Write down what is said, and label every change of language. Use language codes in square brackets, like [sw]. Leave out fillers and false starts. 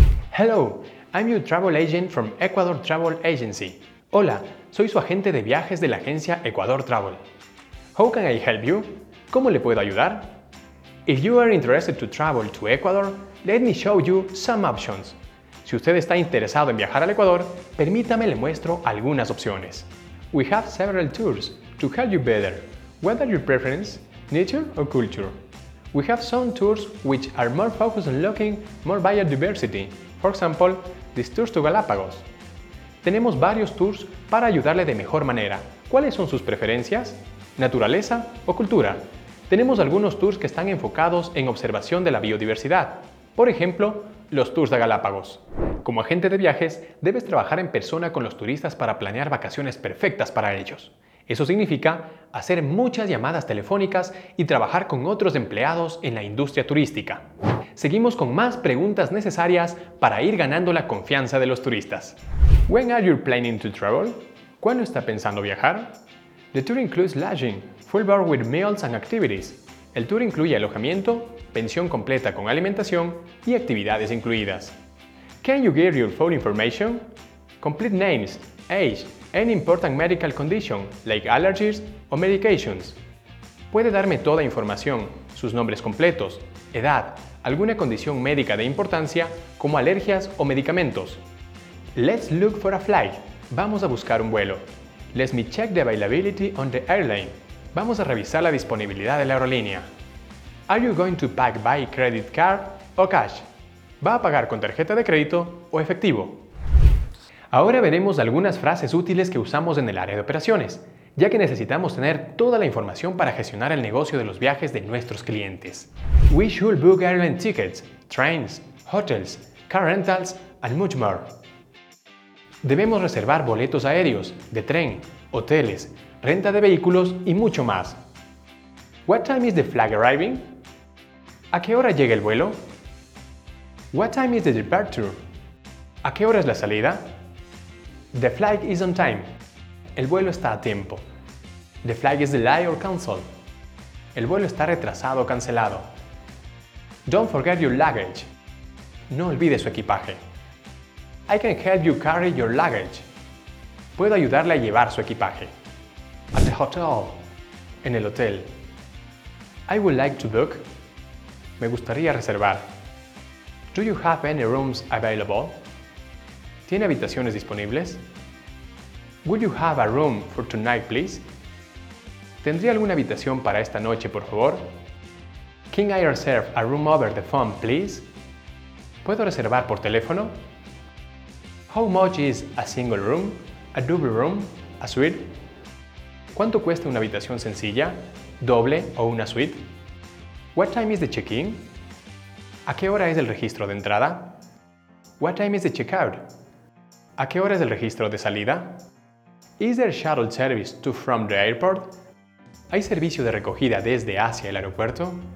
[en] Hello, I'm your travel agent from Ecuador Travel Agency. [es] Hola, soy su agente de viajes de la agencia Ecuador Travel. [en] How can I help you? [es] ¿Cómo le puedo ayudar? [en] If you are interested to travel to Ecuador, let me show you some options. [es] Si usted está interesado en viajar al Ecuador, permítame le muestro algunas opciones. [en] We have several tours to help you better. What are your preferences, nature or culture? We have some tours which are more focused on looking more biodiversity. For example, these tours to Galapagos. [es] Tenemos varios tours para ayudarle de mejor manera. ¿Cuáles son sus preferencias? ¿Naturaleza o cultura? Tenemos algunos tours que están enfocados en observación de la biodiversidad. Por ejemplo, los tours de Galápagos. Como agente de viajes, debes trabajar en persona con los turistas para planear vacaciones perfectas para ellos. Eso significa hacer muchas llamadas telefónicas y trabajar con otros empleados en la industria turística. Seguimos con más preguntas necesarias para ir ganando la confianza de los turistas. [en] When are you planning to travel? [es] ¿Cuándo está pensando viajar? [en] The tour includes lodging, full board with meals and activities. [es] El tour incluye alojamiento, pensión completa con alimentación y actividades incluidas. [en] Can you give your full information? Complete names, age, any important medical condition, like allergies or medications. [es] ¿Puede darme toda información, sus nombres completos, edad, alguna condición médica de importancia, como alergias o medicamentos? [en] Let's look for a flight. [es] Vamos a buscar un vuelo. [en] Let me check the availability on the airline. [es] Vamos a revisar la disponibilidad de la aerolínea. [en] Are you going to pay by credit card or cash? [es] ¿Va a pagar con tarjeta de crédito o efectivo? Ahora veremos algunas frases útiles que usamos en el área de operaciones, ya que necesitamos tener toda la información para gestionar el negocio de los viajes de nuestros clientes. [en] We should book airline tickets, trains, hotels, car rentals, and much more. [es] Debemos reservar boletos aéreos, de tren, hoteles, renta de vehículos y mucho más. [en] What time is the flight arriving? [es] ¿A qué hora llega el vuelo? [en] What time is the departure? [es] ¿A qué hora es la salida? [en] The flight is on time. [es] El vuelo está a tiempo. [en] The flight is delayed or canceled. [es] El vuelo está retrasado o cancelado. [en] Don't forget your luggage. [es] No olvide su equipaje. [en] I can help you carry your luggage. [es] Puedo ayudarle a llevar su equipaje. [en] At the hotel. [es] En el hotel. [en] I would like to book. [es] Me gustaría reservar. [en] Do you have any rooms available? [es] ¿Tiene habitaciones disponibles? [en] Would you have a room for tonight, please? [es] ¿Tendría alguna habitación para esta noche, por favor? [en] Can I reserve a room over the phone, please? [es] ¿Puedo reservar por teléfono? [en] How much is a single room, a double room, a suite? [es] ¿Cuánto cuesta una habitación sencilla, doble o una suite? [en] What time is the check-in? [es] ¿A qué hora es el registro de entrada? [en] What time is the check-out? [es] ¿A qué hora es el registro de salida? [en] Is there shuttle service to from the airport? [es] ¿Hay servicio de recogida desde hacia el aeropuerto?